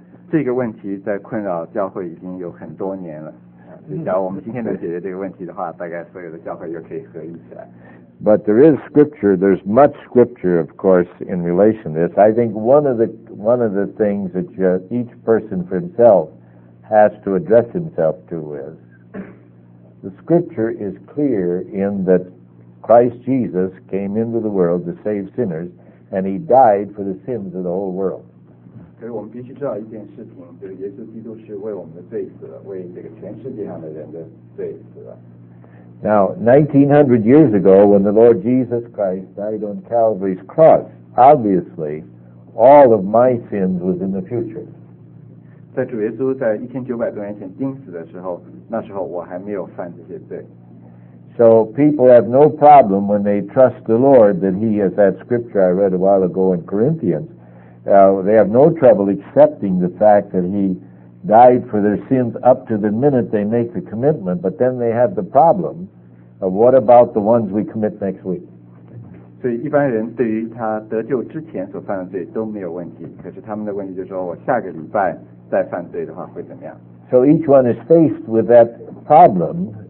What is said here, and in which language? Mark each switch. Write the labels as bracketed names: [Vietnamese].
[Chinese] 这个问题在困扰教会已经有很多年了。假如我们今天能解决这个问题的话，大概所有的教会又可以合一起来。 [English] But there is scripture. There's much scripture, of course, in relation to this. I think one of the things that each person for himself has to address himself to is the scripture is clear in that Christ Jesus came into the world to save sinners, and He died for the sins of the whole world. [Chinese] 所以我们必须知道一件事情，就是耶稣基督是为我们的罪死了，为这个全世界上的人的罪死了。 [English] Now, 1900 years ago, when the Lord Jesus Christ died on Calvary's cross, obviously, all of my sins was in the future. [Chinese] 在主耶稣在1900多年前钉死的时候，那时候我还没有犯这些罪。 [English] So people have no problem when they trust the Lord that He has that scripture I read a while ago in Corinthians. They have no trouble accepting the fact that he died for their sins up to the minute they make the commitment, but then they have the problem of what about the ones we commit next week? [Chinese] 所以一般人对于他得救之前所犯的罪都没有问题，可是他们的问题就是说我下个礼拜再犯罪的话会怎么样？ [English] So each one is faced with that problem.